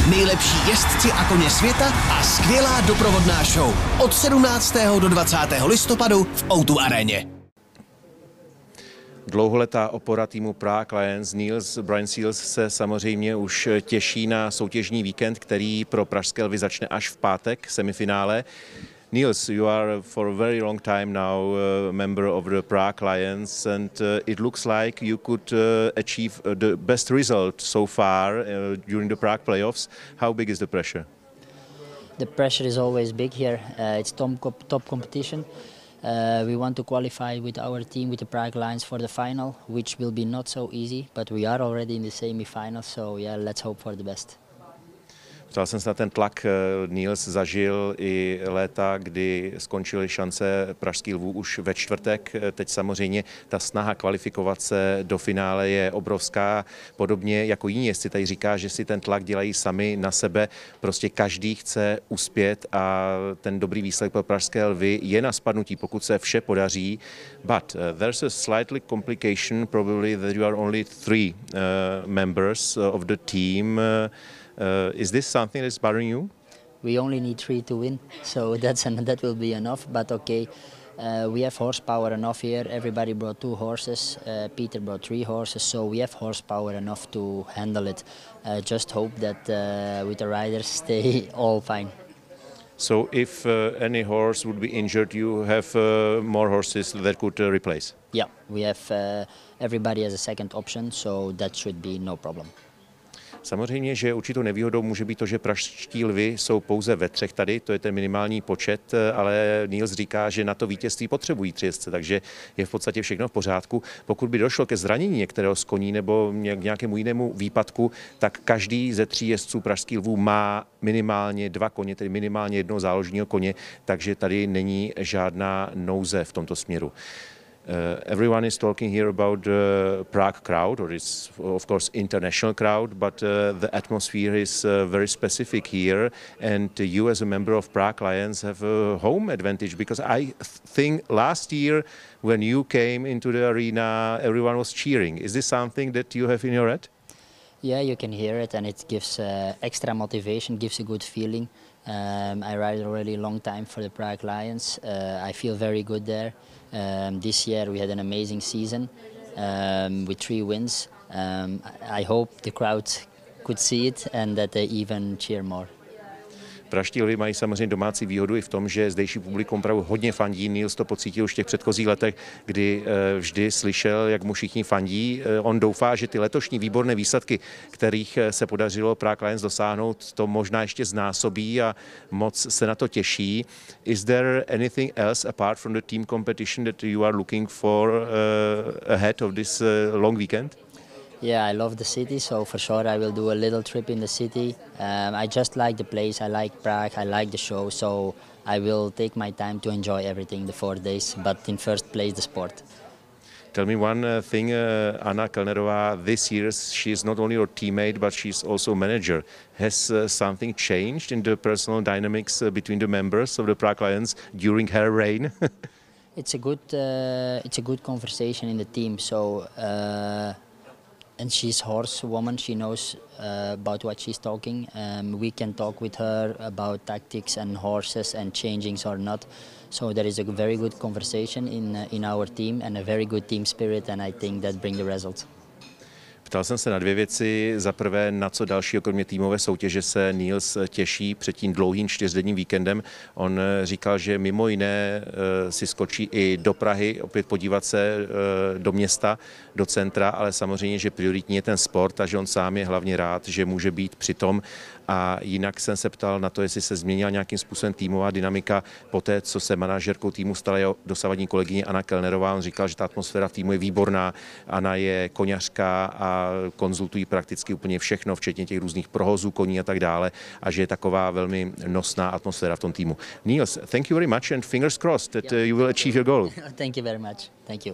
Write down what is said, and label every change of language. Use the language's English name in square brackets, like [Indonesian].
[Czech] Nejlepší jezdci a koně světa a skvělá doprovodná show. Od 17. do 20. listopadu v O2 Aréně. Dlouholetá opora týmu Prague Lions Nils Brian Seals se samozřejmě už těší na soutěžní víkend, který pro pražské Lvy začne až v pátek, semifinále. [English] Nils, you are for a very long time now member of the Prague Lions, and it looks like you could achieve the best result so far during the Prague playoffs. How big is the pressure? The pressure is always big here. It's top competition. We want to qualify with our team, with the Prague Lions, for the final, which will be not so easy, but we are already in the semi-final, so yeah, let's hope for the best. [Czech] Ptal jsem se na ten tlak, Nils zažil i léta, kdy skončily šance pražský Lvů už ve čtvrtek. Teď samozřejmě ta snaha kvalifikovat se do finále je obrovská. Podobně jako jiní jezdci tady říká, že si ten tlak dělají sami na sebe. Prostě každý chce uspět a ten dobrý výsledek pro pražské Lvy je na spadnutí, pokud se vše podaří. [English] But there's a slightly complication, probably that you are only three members of the team. Is this something that's bothering you? We only need three to win, so that will be enough. But okay, we have horsepower enough here. Everybody brought two horses. Peter brought three horses, so we have horsepower enough to handle it. Just hope that with the riders stay all fine. So if any horse would be injured, you have more horses that could replace. Yeah, we have everybody as a second option, so that should be no problem. [Czech] Samozřejmě, že určitou nevýhodou může být to, že pražští Lvy jsou pouze ve třech tady, to je ten minimální počet, ale Nils říká, že na to vítězství potřebují tři jezdce, takže je v podstatě všechno v pořádku. Pokud by došlo ke zranění některého z koní nebo k nějakému jinému výpadku, tak každý ze tří jezdců pražských Lvů má minimálně dva koně, tedy minimálně jednoho záložního koně, takže tady není žádná nouze v tomto směru. [English] Everyone is talking here about the Prague crowd, or it's of course international crowd, but the atmosphere is very specific here, and you as a member of Prague Lions have a home advantage, because I think last year when you came into the arena everyone was cheering. Is this something that you have in your head? Yeah, you can hear it, and it gives extra motivation, gives a good feeling. I ride already a long time for the Prague Lions. I feel very good there. This year we had an amazing season with three wins. I hope the crowd could see it and that they even cheer more. [Czech] Pražští Lvy mají samozřejmě domácí výhodu i v tom, že zdejší publikum opravdu hodně fandí. Nils to pocítil už v těch předchozích letech, kdy vždy slyšel, jak mu všichni fandí. On doufá, že ty letošní výborné výsledky, kterých se podařilo Prague Lions dosáhnout, to možná ještě znásobí a moc se na to těší. [English] Is there anything else apart from the team competition that you are looking for ahead of this long weekend? Yeah, I love the city, so for sure I will do a little trip in the city. I just like the place, I like Prague, I like the show, so I will take my time to enjoy everything the 4 days, but in first place the sport. Tell me one thing, Anna Kalnerová, this year she is not only your teammate, but she's also manager. Has something changed in the personal dynamics between the members of the Prague Lions during her reign? it's a good conversation in the team, so and she's horse woman, she knows about what she's talking. We can talk with her about tactics and horses and changings or not. So there is a very good conversation in our team and a very good team spirit, and I think that bring the results. [Czech] Ptal jsem se na dvě věci. Za prvé, na co dalšího, kromě týmové soutěže, se Nils těší před tím dlouhým čtyřdenním víkendem. On říkal, že mimo jiné si skočí i do Prahy, opět podívat se do města, do centra, ale samozřejmě, že prioritní je ten sport a že on sám je hlavně rád, že může být přitom. A jinak jsem se ptal na to, jestli se změnila nějakým způsobem týmová dynamika po té, co se manažerkou týmu stala jeho dosavadní kolegyně Anna Kalnerová. On říkal, že ta atmosféra v týmu je výborná. Anna je koňařka a konzultují prakticky úplně všechno, včetně těch různých provozů koní a tak dále, a že je taková velmi nosná atmosféra v tom týmu. [English] Nils, thank you very much and fingers crossed that you will achieve your goal. Thank you very much. Thank you.